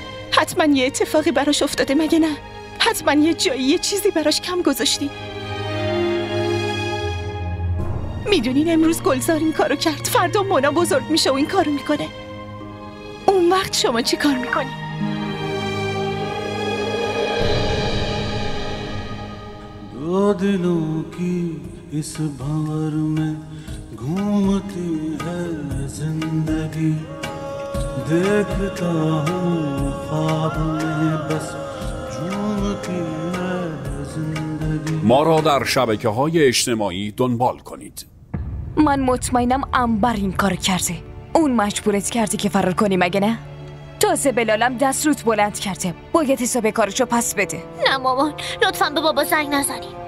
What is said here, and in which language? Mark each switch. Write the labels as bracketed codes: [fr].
[fa] حتما یه اتفاقی براش افتاده مگه نه؟ حتما یه جایی یه چیزی براش کم گذاشتی. میدونین امروز گلزار این کارو کرد، فردا مونا بزرگ میشه و این کارو میکنه، اون وقت شما چی کار میکنی؟ [ur] دو دلوں کی اس بھور میں گھومتی ہے زندگی، دیکھتا ہوں خواب میں بس جھومتی ہے زندگی. [fa] ما را در شبکه‌های اجتماعی دنبال کنید. من مطمئنم انبر این کار کرده، اون مجبورت کرده که فرار کنی مگه نه؟ تازه بلالم دست روت بلند کرده، باید حساب کارشو پس بده. نه مامان لطفاً به بابا زنگ نزنی.